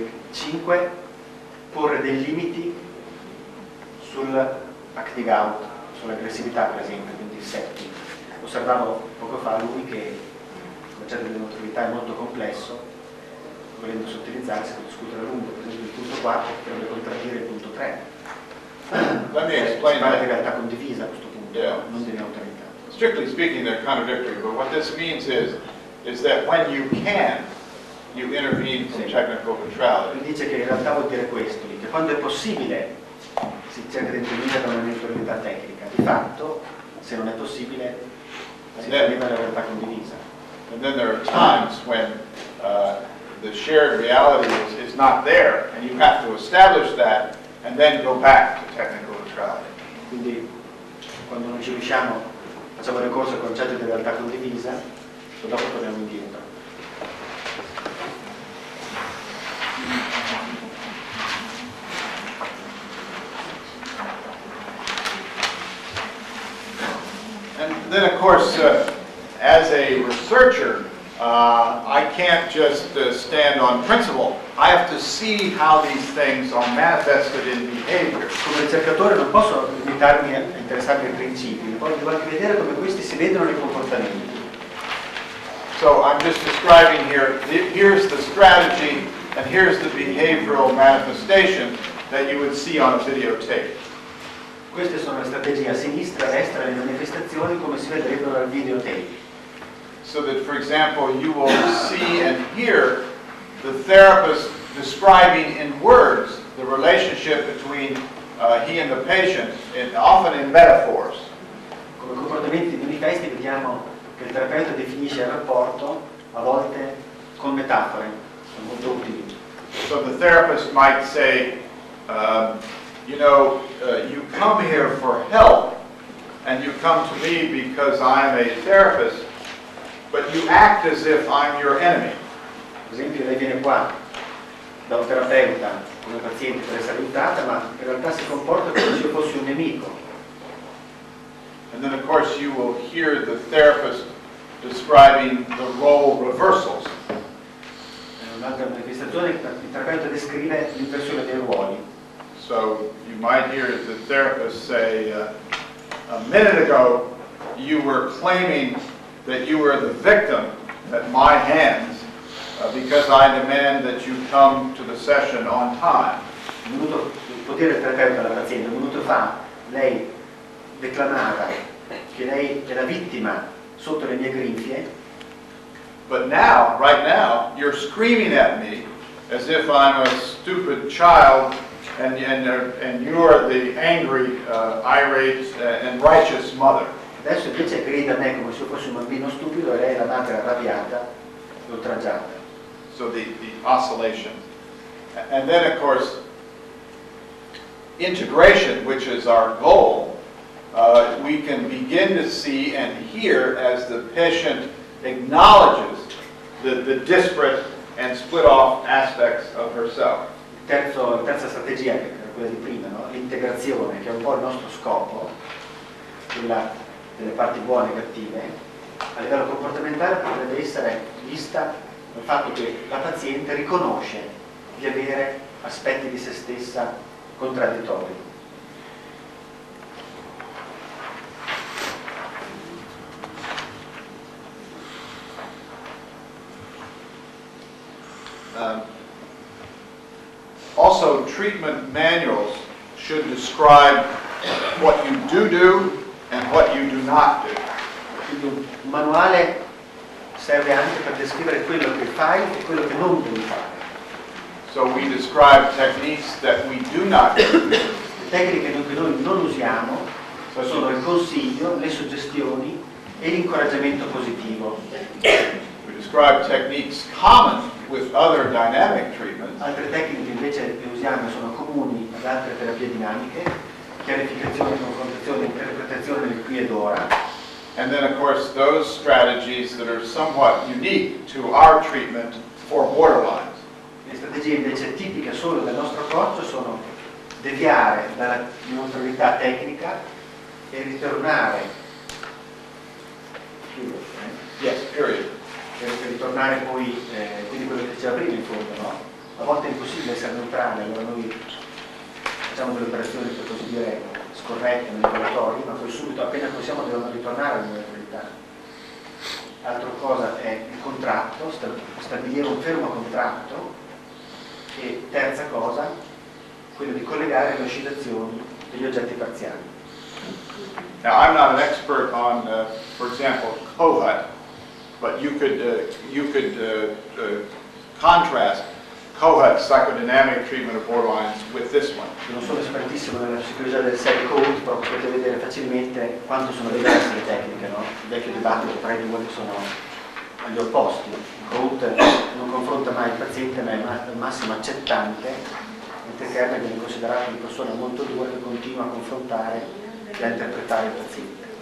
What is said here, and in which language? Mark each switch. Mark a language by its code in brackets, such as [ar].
[it] Cinque, porre dei limiti sul acting out, sull'aggressività per esempio, quindi il setting. Osservavo poco fa lui che il concetto di neutralità è molto complesso, volendo sottilizzare, si può discutere a lungo, per esempio il punto 4 potrebbe contraddire il punto 3. Si parla di realtà condivisa a questo punto, yeah. Non di neutralità. [en] Strictly speaking they're contradictory, but what this means is that when you can, you intervene from technical neutrality. [it] Lui dice che in realtà vuol dire questo, che quando è possibile si cerca di intervenire da una neutralità tecnica. Di fatto, se non è possibile, si arriva alla realtà condivisa. [en] And then there are times when the shared reality is not there, and you have to establish that and then go back to technical neutrality. [it] Quindi quando non ci riusciamo, facciamo ricorso al concetto di realtà condivisa, e dopo torniamo indietro. [en] And then, of course, as a researcher, I can't just stand on principle. I have to see how these things are manifested in behavior. [it] Come ricercatore non posso limitarmi a interessarmi ai principi, devo anche vedere come questi si vedono nei comportamenti. [en] So I'm just describing here, here's the strategy and here's the behavioral manifestation that you would see on a videotape. [it] Queste sono le strategie a sinistra, a destra, le manifestazioni come si vedrebbero dal videotape. [en] So that, for example, you will see and hear the therapist describing in words the relationship between he and the patient, and often in metaphors. [it] Come comportamenti manifesti vediamo che il terapeuta definisce il rapporto a volte con metafore, sono molto utili. [en] So the therapist might say, you know, you come here for help, and you come to me because I'm a therapist, but you act as if I'm your enemy. [it] Per esempio, lei viene qua da un terapeuta, come paziente per essere aiutata, ma in realtà si comporta come se io fossi un nemico. [en] And then, of course, you will hear the therapist describing the role reversals. [it] In un'altra manifestazione, il terapeuta descrive l'inversione dei ruoli. [en] So you might hear the therapist say, a minute ago, you were claiming that you were the victim at my hands because I demand that you come to the session on time. [it] Il potere del terapeuta alla paziente, un minuto fa, lei declamava che lei è la vittima sotto le mie grinfie. [en] But now, right now, you're screaming at me as if I'm a stupid child. And you're the angry, irate, and righteous mother. [it] Adesso invece grida a me come se fossi un bambino stupido e lei è la madre arrabbiata e oltraggiata. [en] So the oscillation. And then of course, integration, which is our goal, we can begin to see and hear as the patient acknowledges the disparate and split off aspects of herself. [it] Terza strategia, quella di prima, no? L'integrazione, che è un po' il nostro scopo, quella delle parti buone e cattive, a livello comportamentale potrebbe essere vista dal fatto che la paziente riconosce di avere aspetti di se stessa contraddittori. [en] Also, treatment manuals should describe what you do do and what you do not do. [it] Quindi un manuale serve anche per descrivere quello che fai e quello che non devi fare. [en] So we describe techniques that we do not do. [it] Tecniche che noi non usiamo sono il consiglio, le suggestioni e l'incoraggiamento positivo. [en] We describe techniques common with other dynamic treatments. [it] Altre tecniche invece che usiamo sono comuni ad altre terapie dinamiche, chiarificazione, confrontazione, interpretazione del qui ed ora. [en] And then of course those strategies that are somewhat unique to our treatment for borderlines. [it] Le strategie invece tipiche solo del nostro approccio sono deviare dalla neutralità tecnica e ritornare. [en] Yes, period. [it] Per ritornare poi, quindi quello che diceva prima in fondo, no? A volte è impossibile essere neutrale, allora noi facciamo delle operazioni, per così dire, scorrette, manipolatorie, ma poi subito, appena possiamo, dobbiamo ritornare alla neutralità. Altra cosa è il contratto, stabilire un fermo contratto, e terza cosa, quello di collegare le oscillazioni degli oggetti parziali. [en] Now, I'm not an expert on, for example, COVID. But you could contrast COHAT psychodynamic treatment of borderlines with this one. [it] Non sono espertissimo nella psicologia del set COHAT, però potete vedere facilmente quanto sono diverse le tecniche, no? Il vecchio dibattito tra i due sono agli opposti. Groot non confronta mai il paziente, ma è il massimo accettante, mentre Kernberg viene considerato una persona molto dura che continua a confrontare e a interpretare il paziente.